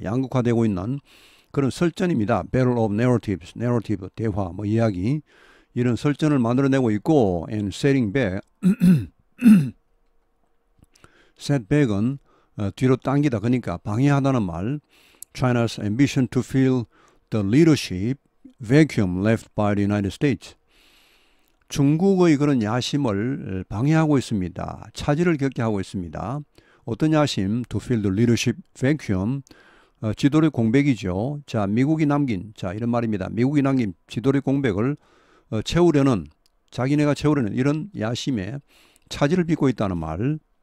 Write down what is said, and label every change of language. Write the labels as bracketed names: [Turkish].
[Korean] 양극화되고 있는 그런 설전입니다. [English] battle of narratives. [Korean] narrative 대화 뭐 이야기 이런 설전을 만들어 내고 있고 [English] and setting back [Korean] setback은 뒤로 당기다, 그러니까 방해하다는 말. [English] China's ambition to fill the leadership vacuum left by the United States. [Korean] 중국의 그런 야심을 방해하고 있습니다. 차질을 겪게 하고 있습니다. 어떤 야심? [English] To fill the leadership vacuum. [Korean] 지도력 공백이죠. 자, 미국이 남긴, 자, 이런 말입니다. 미국이 남긴 지도력 공백을 채우려는, 자기네가 채우려는 이런 야심에 차질을 빚고 있다는 말.